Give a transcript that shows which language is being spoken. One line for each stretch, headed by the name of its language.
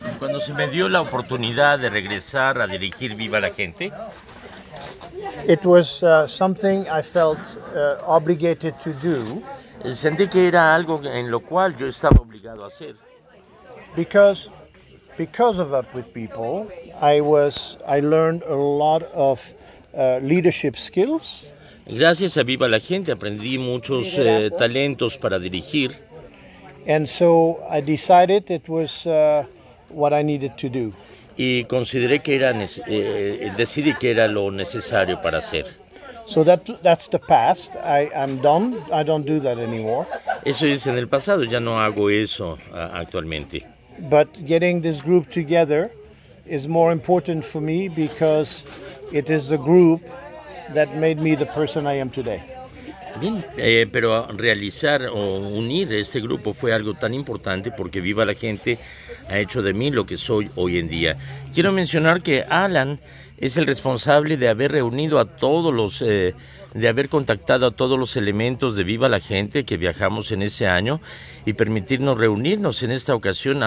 Spanish: Cuando se me dio la oportunidad de regresar a dirigir Viva la Gente.
English: It was something I felt obligated to do.
Spanish: Sentí que era algo en lo cual yo estaba obligado a hacer.
English: Because of Up With People, I learned a lot of leadership skills.
Spanish: Gracias a Viva la Gente aprendí muchos talentos para dirigir.
English: And so I decided it was what I needed to do.
Spanish: Y consideré que era decidí que era lo necesario para hacer.
English: So that's the past. I'm done. I don't do that anymore.
Spanish: Eso es en el pasado. Ya no hago eso actualmente.
English: But getting this group together is more important for me because it is the group that made me the person I am today.
Spanish: Bien, pero realizar o unir este grupo fue algo tan importante porque Viva la Gente ha hecho de mí lo que soy hoy en día. Quiero mencionar que Alan es el responsable de haber reunido a todos los, de haber contactado a todos los elementos de Viva la Gente que viajamos en ese año y permitirnos reunirnos en esta ocasión.